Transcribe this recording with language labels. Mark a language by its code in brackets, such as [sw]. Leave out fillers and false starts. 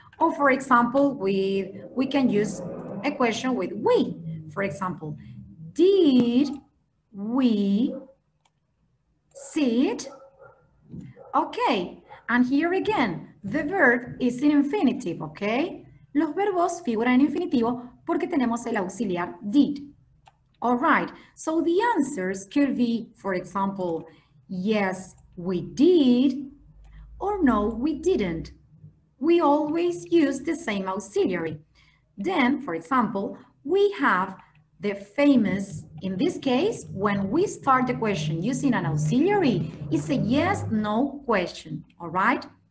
[en] Or for example, we can use a question with we. For example, did we sit? Okay, and here again, the verb is in infinitive, okay? [es] Los verbos figuran en infinitivo porque tenemos el auxiliar did. [en] All right, so the answers could be, for example, yes, we did, or no, we didn't. We always use the same auxiliary. Then, for example, we have the famous, in this case, when we start the question using an auxiliary, it's a yes, no question, all right?